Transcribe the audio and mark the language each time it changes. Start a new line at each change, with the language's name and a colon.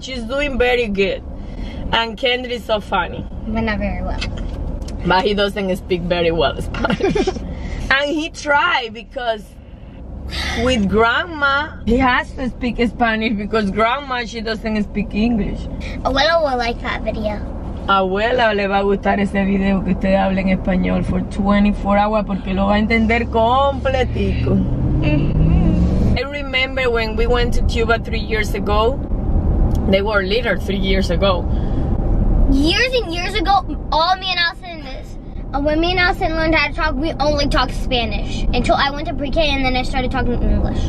English: She's doing very good. And Kendri is so funny. But not very well. But he doesn't speak very well Spanish. And he tried because with grandma, he has to speak Spanish because grandma, she doesn't speak English. Abuela will like that video.
Spanish: Abuela le va a gustar ese video que usted hable en español
English: for 24 hours
Spanish: porque lo va a entender completico.
English: I remember when we went to Cuba 3 years ago. They were little 3 years ago. Years and years ago, all me and Allison in this. When me and Allison learned how to talk, we only talked Spanish. Until I went to pre-K and then I started talking English.